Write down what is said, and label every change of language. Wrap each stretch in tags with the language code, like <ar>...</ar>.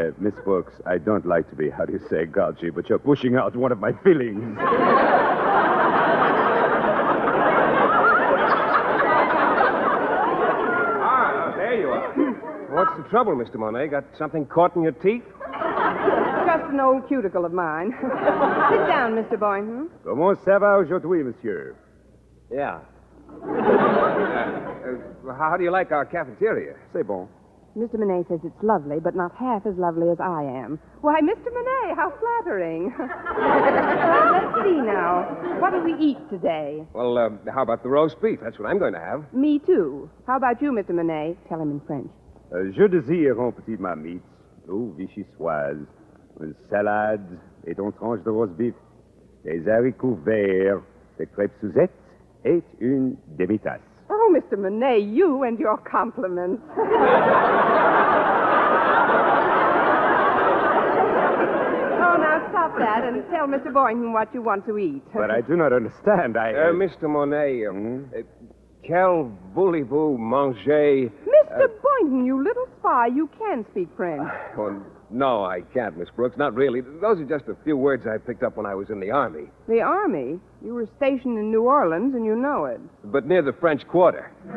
<en>Miss Brooks, I don't like to be, how do you say, gouty, but you're pushing out one of my feelings. Ah, there you are. What's the trouble, Mr. Monet? Got something caught in your teeth? Just an old cuticle of mine. Sit down, Mr. Boynton.</en> <fr>Comment ça va aujourd'hui, monsieur?</fr> <en>Yeah. How do you like our cafeteria?</en> <fr>C'est bon.</fr> <en>Mr. Monet says it's lovely, but not half as lovely as I am. Why, Mr. Monet, how flattering. Let's see now. What do we eat today? Well, how about the roast beef? That's what I'm going to have. Me too. How about you, Mr. Monet? Tell him in French.</en> <fr>Je désire un petit marmite. Oh, vichyssoise. Une salade, et une tranche de roast beef, des haricots verts, des crêpes Suzette, et une demi-tasse.</fr> <en>Oh, Mr. Monet, you and your compliments. Oh, now stop that and tell Mr. Boynton what you want to eat. But I do not understand. I. Mr.</en> <fr>Monet, quel voulez-vous manger?</fr> <en>Mr. Boynton, you little spy, you can speak French. No, I can't, Miss Brooks. Not really. Those are just a few words I picked up when I was in the Army. The Army? You were stationed in New Orleans, and you know it. But near the French Quarter.</en>